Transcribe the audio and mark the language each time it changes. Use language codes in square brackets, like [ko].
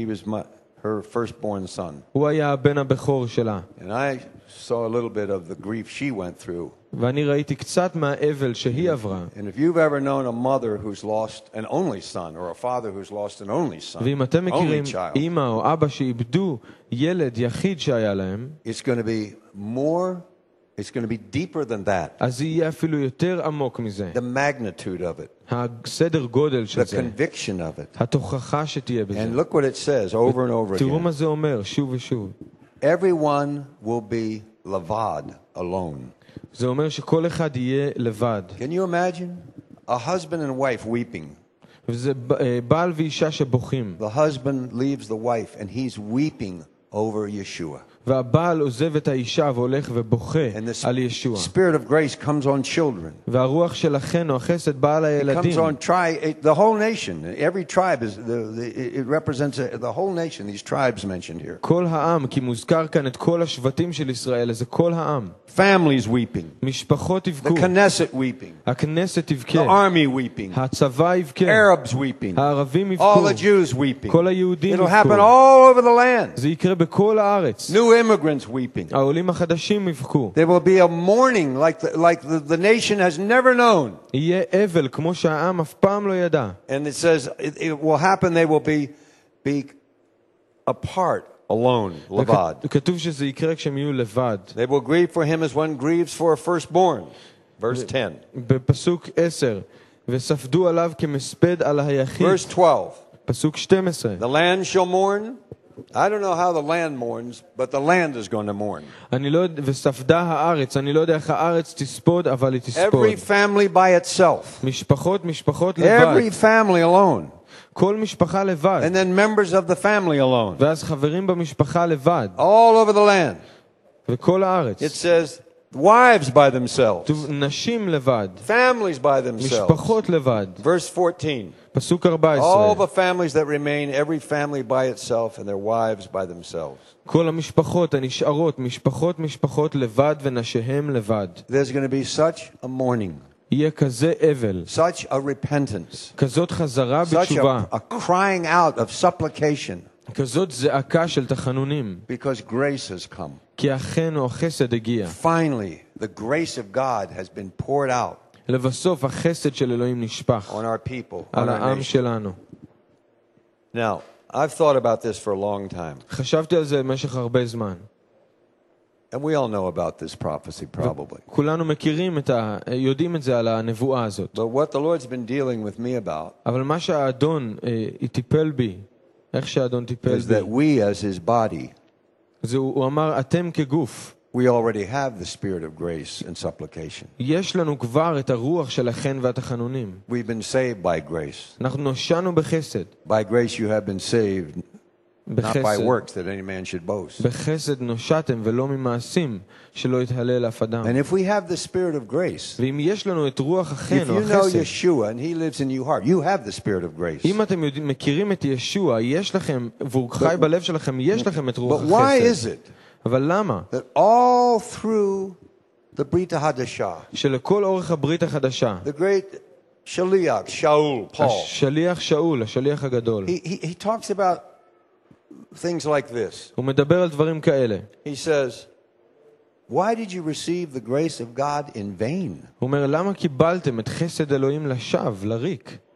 [en] He was her firstborn son. [he] הוא היה הבן הבכור שלה. [en] And I saw a little bit of the grief she went through. [he] ואני ראיתי קצת מהאבל שהיא עברה. [en] And if you've ever known a mother who's lost an only son or a father who's lost an only son. [he] ואם אתם מכירים אמא או אבא שאיבדו ילד יחיד שהיה להם. [en] It's going to be more, it's going to be deeper than that. [he] אז יהיה אפילו יותר עמוק מזה. [en] The magnitude of it. [he] הסדר גודל של זה. [en] The conviction of it. [he] התוכחה שתהיה בזה. [en] And look what it says over and over again. [he] תראו מה זה אומר שוב ושוב. [en] Everyone will be levad, alone. [he] זה אומר שכל אחד יהיה לבד. [en] Can you imagine a husband and wife weeping? [he] וזה בעל ואישה שבוכים. [en] The husband leaves the wife and he's weeping over Yeshua. [he] והבעל עוזב את האישה והולך ובוכה על ישוע. [en] The spirit of grace comes on children. [he] והרוח של החן או החסד באה על הילדים. [en] Comes on the whole nation. Every tribe is it represents the whole nation. These tribes mentioned here. [he] כל העם, כי מוזכר כאן את כל השבטים של ישראל, זה כל העם. [en] Families weeping. [he] משפחות יבכו. [en] The Knesset weeping. [he] הכנסת תבכה. [en] The army weeping. [he] הצבא יבכה. [en] Arabs weeping. [he] הערבים יבכו. [en] All the Jews weeping. [he] כל היהודים יבכו. [en] It'll happen all over the land. [he] זה יקרה בכל הארץ. [en] New immigrants weeping. [he] העולים החדשים יבכו. [en] There will be a mourning like the nation has never known. [he] יהיה אבל כמו שהעם אף פעם לא ידע. [en] And it says it will happen, they will be apart, alone, לבד. [he] כתוב שזה יקרה כשהם יהיו לבד. [en] They will grieve for him as one grieves for a firstborn. Verse 10. [he] בפסוק 10 וספדו עליו כמספד על היחיד. [en] Verse 12. [he] פסוק 12. [en] The land shall mourn. I don't know how the land mourns, but the land is going to mourn. [he] אני לא יודע וספדה הארץ, אני לא יודע איך הארץ תספוד, אבל היא תספוד. [en] Every family by itself. [he] משפחות, משפחות לבד. [en] Every family alone. [he] כל משפחה לבד. [en] And then members of the family alone. [he] ואז חברים במשפחה לבד. [en] All over the land. [he] וכל הארץ. [en] It says wives by themselves. [he] נשים לבד. [en] Families by themselves. [he] משפחות לבד. [en] Verse 14. [he] פסוק 14. [en] All the families that remain, every family by itself and their wives by themselves. [he] כל המשפחות הנשארות, משפחות משפחות לבד ונשיהם לבד. [en] There's going to be such a mourning. [he] יהיה כזה אבל. [en] Such a repentance. [he] כזאת חזרה בתשובה. [en] Such a crying out of supplication. [he] כזאת זעקה של תחנונים. [en] Because grace has come. [he] כי אכן החסד הגיע. [en] Finally, the grace of God has been poured out. [he] לבסוף החסד של אלוהים נשפך. [en] On our people, [he] על העם שלנו. [en] Now, I've thought about this for a long time. [he] חשבתי על זה במשך הרבה זמן. [en] And we all know about this prophecy probably. [he] כולנו מכירים את יודעים את זה על הנבואה הזאת. [en] But what the Lord's been dealing with me about. [he] אבל מה שאדון טיפל בי, איך שאדון טיפל בי. [en] Is that we as his body. [he] זה הוא אמר אתם כגוף. [en] We already have the spirit of grace and supplication. [he] יש לנו כבר את הרוח של החן והתחנונים. [en] We've been saved by grace. [he] אנחנו נושענו בחסד. [en] By grace you have been saved. Not by works that any man should boast. [he] בחסד נושעתם ולא ממעשים שלא יתהלל אף אדם. [en] And if we have the spirit of grace. [he] ואם יש לנו את רוח החן או [en] החסד. If you know Yeshua and he lives in your heart, you have the spirit of grace. [he] אם אתם מכירים את ישוע, יש לכם והוא חי בלב שלכם, יש לכם את רוח החסד. [en] But why is it? [he] אבל למה? [en] That all through the Brit Hadashah. [he] שלכל אורך הברית החדשה. [en] The great Shaliach Shaul Paul. [he] השליח שאול, השליח הגדול. [en] He talks about things like this. [he] הוא מדבר על דברים כאלה. [en] He says, "Why did you receive the grace of God in vain?" [he] הוא אומר למה קיבלתם את חסד אלוהים לשווא, לריק.